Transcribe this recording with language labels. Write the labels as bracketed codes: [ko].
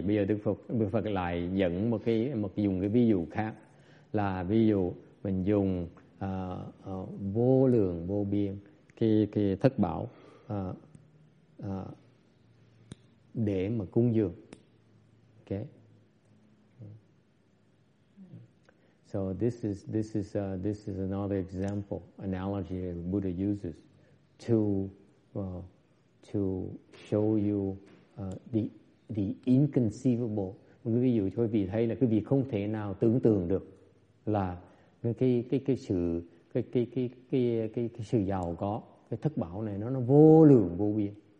[vi] Bây giờ Đức Phật lại dẫn một dùng cái ví dụ khác. Là ví dụ mình dùng vô lượng, vô biên, cái thất bảo để mà cúng dường. [en] Okay? So this is another example, analogy that Buddha uses to show you the inconceivable. [vi] Ví dụ cho quý vị thấy là quý vị không thể nào tưởng tượng được là cái sự giàu có, cái thất bảo này nó vô lượng vô biên.